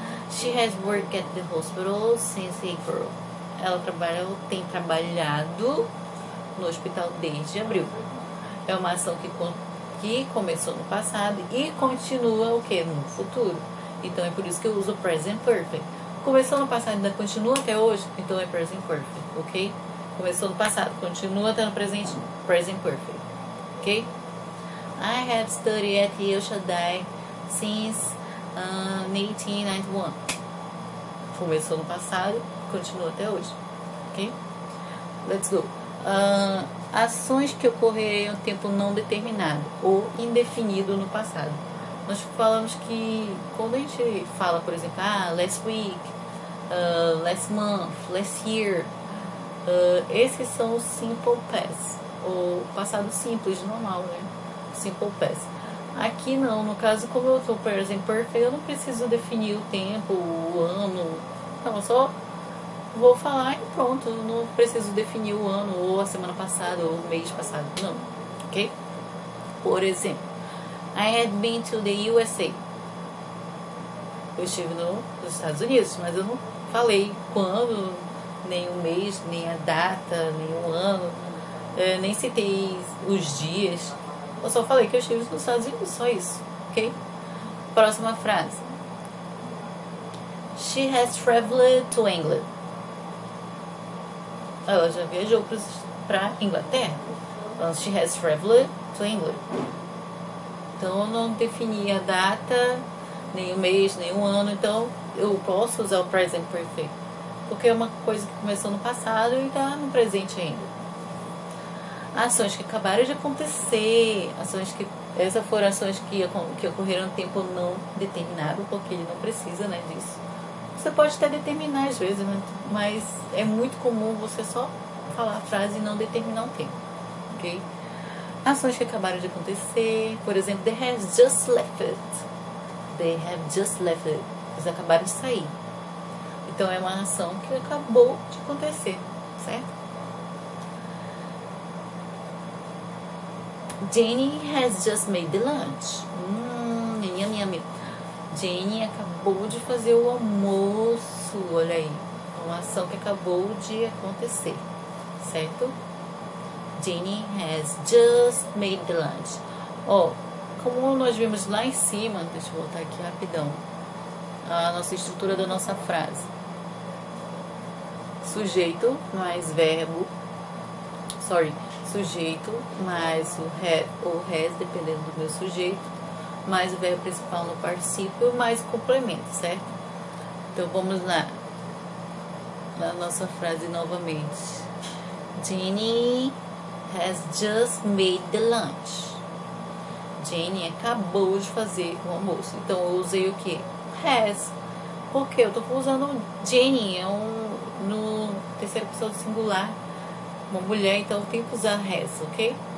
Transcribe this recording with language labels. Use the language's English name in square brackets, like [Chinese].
[English] She has worked at the hospital since April. [Portuguese] Ela trabalha, ou tem trabalhado no hospital desde abril. É uma ação que começou no passado e continua o quê? No futuro. Então é por isso que eu uso o present perfect. Começou no passado e ainda continua até hoje? Então é present perfect, ok? Começou no passado, continua até no presente? Present perfect, ok? [English] I have studied at Yale Shaddai since 1891. [Portuguese] Começou no passado, continua até hoje, ok? [English] Let's go. [Portuguese] Ações que ocorreram em um tempo não determinado ou indefinido no passado. Nós falamos que quando a gente fala, por exemplo, [English] last week, last month, last year, [Portuguese] esses são os simple past, ou passado simples, normal, né? Simple past. Aqui não, no caso, como eu tô, por exemplo, perfeito, eu não preciso definir o tempo, o ano. Não, eu só vou falar e pronto. Não preciso definir o ano, ou a semana passada, ou o mês passado. Não, ok? Por exemplo, [English] I had been to the USA. [Portuguese] Eu estive no, nos Estados Unidos, mas eu não falei quando, nem o mês, nem a data, nem o ano, nem citei os dias. Eu só falei que eu estive nos Estados Unidos, só isso, ok? Próxima frase. [English] She has traveled to England. [Portuguese] Ela já viajou para Inglaterra. [English] Well, she has traveled to England. [Portuguese] Então, eu não defini a data, nem o mês, nem o ano. Então, eu posso usar o present perfect. Porque é uma coisa que começou no passado e está no presente ainda. Ações que acabaram de acontecer. Ações que. Essas foram ações que ocorreram em tempo não determinado, porque ele não precisa, né, disso. Você pode até determinar às vezes, né, mas é muito comum você só falar a frase e não determinar o tempo, ok? Ações que acabaram de acontecer, por exemplo, [English] they have just left it. They have just left it. [Portuguese] Eles acabaram de sair. Então é uma ação que acabou de acontecer, certo? [English] Jenny has just made the lunch. [Portuguese] Minha, minha, minha. Jenny acabou de fazer o almoço. Olha aí. Uma ação que acabou de acontecer, certo? [English] Jenny has just made the lunch. [Portuguese] Ó, como nós vimos lá em cima, deixa eu voltar aqui rapidão, a nossa estrutura da nossa frase. Sujeito mais verbo. [English] Sorry. [Portuguese] Sujeito mais o have ou has, dependendo do meu sujeito, mais o verbo principal no particípio, mais o complemento, certo? Então vamos lá. Na nossa frase novamente. [English] Jenny has just made the lunch. [Portuguese] Jenny acabou de fazer o almoço. Então eu usei o quê? Has. Porque eu estou usando Jenny, é no terceira pessoa do singular. Uma mulher, então tem que usar has, ok?